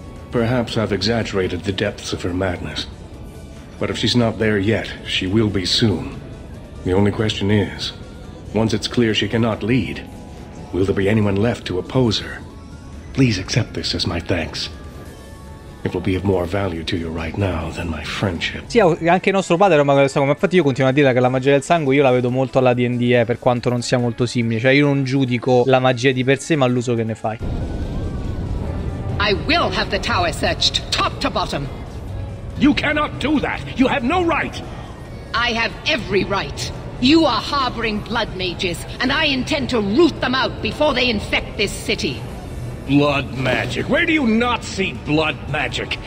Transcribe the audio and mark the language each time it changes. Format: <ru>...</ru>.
<en>Perhaps I've exaggerated the depths of her madness. But if she's not there yet, she will be soon. The only question is, once it's clear she cannot lead, will there be anyone left to oppose her? Please accept this as my thanks. It will be of more value to you right now than my friendship.</en> <it>Sì, anche nostro padre era un mago del sangue. Infatti io continuo a dire che la magia del sangue io la vedo molto alla D&D, per quanto non sia molto simile. Cioè, io non giudico la magia di per sé, ma l'uso che ne fai.</it> <en>I will have the tower searched, top to bottom. You cannot do that. You have no right. I have every right. You are harboring blood mages, and I intend to root them out before they infect this city. Blood magic? Where do you not see blood magic?</en>